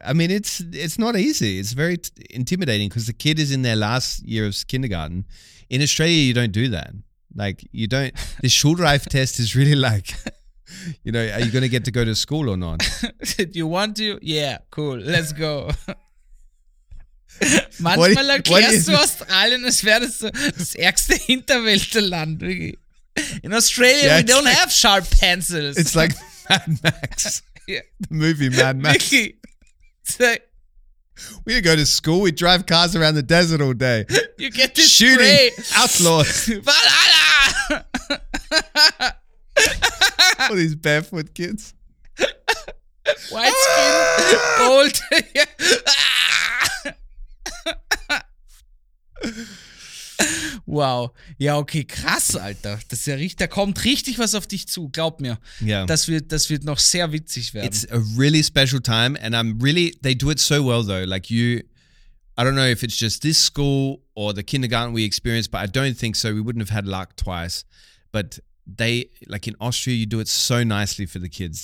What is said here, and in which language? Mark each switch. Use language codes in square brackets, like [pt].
[en] I mean, it's not easy. It's very intimidating because the kid is in their last year of kindergarten. In Australia, you don't do that. Like you don't. The Schulreif test is really like, you know, are you going to get to go to school or not? Did you want to? Yeah, cool. Let's go. [de] Manchmal erklärst du Australien, es wäre das ärgste Hinterwäldlerland. [en] In Australia, yeah, we don't have sharp pencils. It's like Mad Max. The movie Mad Max. We go to school, we drive cars around the desert all day. You get this shooting spray. Outlaws. Valhalla! All these barefoot kids. White skin, gold. [de] Wow. Ja, okay, krass, Alter. Das ist ja richtig, da kommt richtig was auf dich zu, glaub mir. [en] Yeah. [de] Das wird noch sehr witzig werden. [en] It's a really special time and I'm really, they do it so well though. Like you, I don't know if it's just this school or the kindergarten we experienced, but I don't think so. We wouldn't have had luck twice. But they, like in Austria, you do it so nicely for the kids.